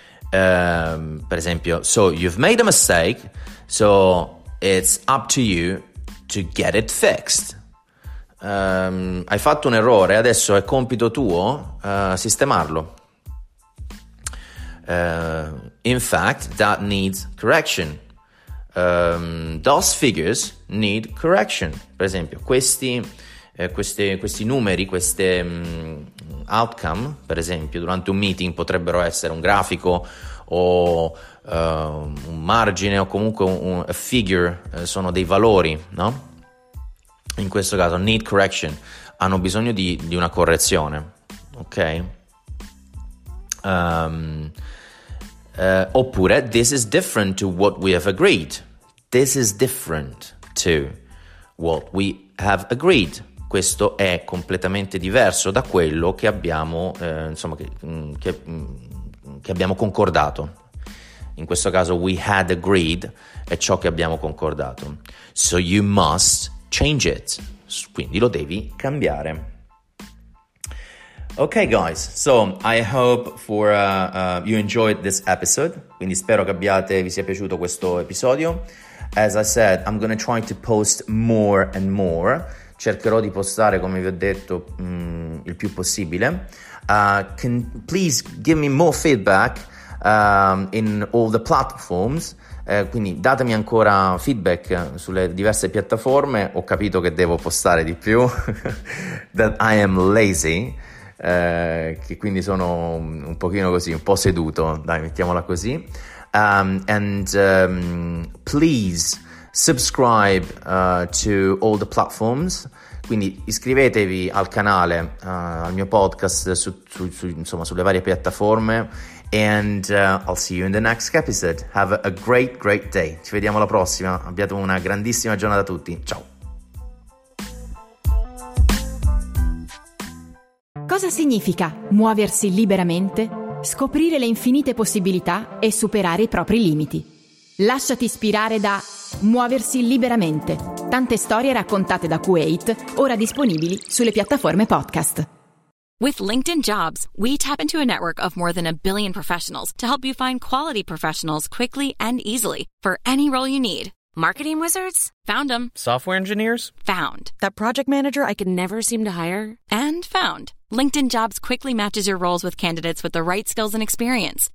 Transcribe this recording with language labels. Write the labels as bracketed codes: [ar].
[it] Per esempio, [en] so you've made a mistake, so it's up to you to get it fixed. [it] Hai fatto un errore, adesso è compito tuo sistemarlo. [en] In fact, that needs correction. Those figures need correction. [it] Per esempio, questi numeri, queste outcome, per esempio, durante un meeting potrebbero essere un grafico o un margine o comunque a figure, sono dei valori, no? In questo caso, [en] need correction, [it] hanno bisogno di una correzione, ok? [en] Oppure, this is different to what we have agreed. This is different to what we have agreed. [it] Questo è completamente diverso da quello che abbiamo, insomma, che abbiamo concordato. In questo caso, [en] we had agreed, [it] è ciò che abbiamo concordato. [en] So you must change it. [it] Quindi lo devi cambiare. [en] Okay, guys, so I hope for you enjoyed this episode. [it] Quindi spero che vi sia piaciuto questo episodio. [en] As I said, I'm gonna try to post more and more. [it] Cercherò di postare, come vi ho detto, il più possibile. [en] Please give me more feedback in all the platforms. [it] Quindi datemi ancora feedback sulle diverse piattaforme. Ho capito che devo postare di più. [en] That I am lazy. [it] Che quindi sono un pochino così, un po' seduto, dai, mettiamola così. [en] Please subscribe to all the platforms. [it] Quindi iscrivetevi al canale, al mio podcast insomma, sulle varie piattaforme. [en] And I'll see you in the next episode. Have a great, great day. [it] Ci vediamo alla prossima. Abbiate una grandissima giornata a tutti. Ciao. Cosa significa muoversi liberamente? Scoprire le infinite possibilità e superare i propri limiti. Lasciati ispirare da Muoversi liberamente. Tante storie raccontate da Kuwait, ora disponibili sulle piattaforme podcast. [en] With LinkedIn Jobs, we tap into a network of more than a billion professionals to help you find quality professionals quickly and easily for any role you need. Marketing wizards? Found them. Software engineers? Found. That project manager I could never seem to hire? And found. LinkedIn Jobs quickly matches your roles with candidates with the right skills and experience.